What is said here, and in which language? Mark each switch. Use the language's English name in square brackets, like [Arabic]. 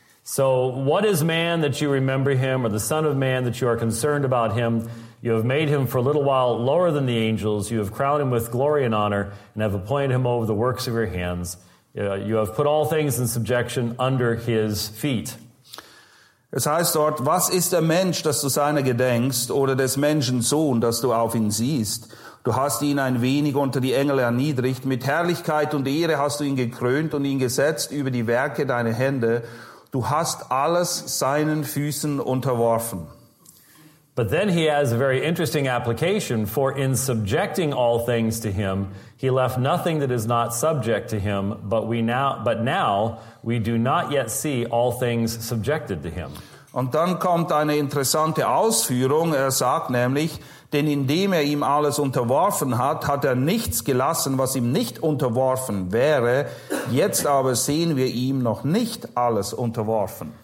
[English] So what is man that you remember him, or the son of man that you are concerned about him? You have made him for a little while lower than the angels. You have crowned him with glory and honor and have appointed him over the works of your hands. You have put all things in subjection under his feet. [German] Es heißt dort, was ist der Mensch, dass du seiner gedenkst, oder des Menschen Sohn, dass du auf ihn siehst? Du hast ihn ein wenig unter die Engel erniedrigt. Mit Herrlichkeit und Ehre hast du ihn gekrönt und ihn gesetzt über die Werke deiner Hände. Du hast alles seinen Füßen unterworfen. [English] But then he has a very interesting application, for in subjecting all things to him, he left nothing that is not subject to him, but now we do not yet see all things subjected to him. [German] Und dann kommt eine interessante Ausführung. Er sagt nämlich, denn indem er ihm alles unterworfen hat, hat er nichts gelassen, was ihm nicht unterworfen wäre. Jetzt aber sehen wir ihm noch nicht alles unterworfen.